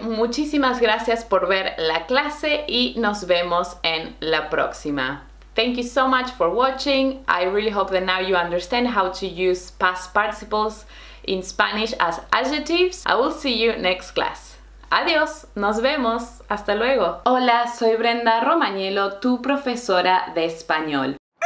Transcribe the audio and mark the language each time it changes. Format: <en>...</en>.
<es>Muchísimas gracias por ver la clase y nos vemos en la próxima.</es> <en>Thank you so much for watching. I really hope that now you understand how to use past participles in Spanish as adjectives. I will see you next class.</en> <es>Adiós, nos vemos. Hasta luego. Hola, soy Brenda Romagnello, tu profesora de español.</es>